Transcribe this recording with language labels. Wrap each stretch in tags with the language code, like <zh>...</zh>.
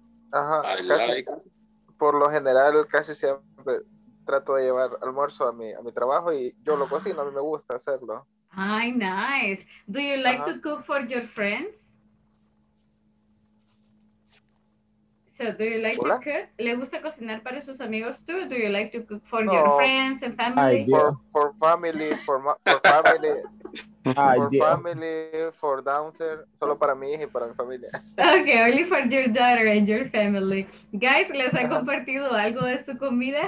<es>Ajá, por lo general casi siempre trato de llevar almuerzo a mi trabajo y yo lo cocino, a mí me gusta hacerlo.</es> <en>Ay, nice. Do you like to cook for your friends?</en> <es>So, Hola? ¿Le gusta cocinar para sus amigos tú?</es> <en>Do you like to cook for your friends and family? For family. For family, for daughter,</en> <es>solo para mi hija y para mi familia.</es> <en>Okay, only for your daughter and your family.</en> <es>Guys, ¿les ha compartido algo de su comida?</es>